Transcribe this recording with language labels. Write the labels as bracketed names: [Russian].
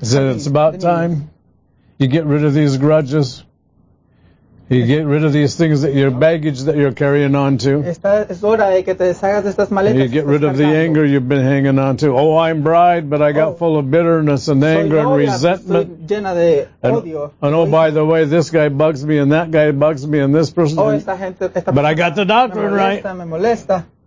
[English] said, it's about time you get rid of these grudges. You get rid of these things that your baggage that you're carrying on to. [Spanish] Es hora de que te deshagas de estas maletas. [English] You get rid of [Spanish] cargando. [English] The anger you've been hanging on to. Oh, I'm bride, but I got full of bitterness and anger and resentment. [Spanish] Soy llena de odio. [English] And oh, by the way, this guy bugs me and that guy bugs me and this person. [Spanish] Oh, esta gente, esta persona, [English] but I got the doctrine [Spanish] me molesta, [English] right. [Spanish] Me molesta.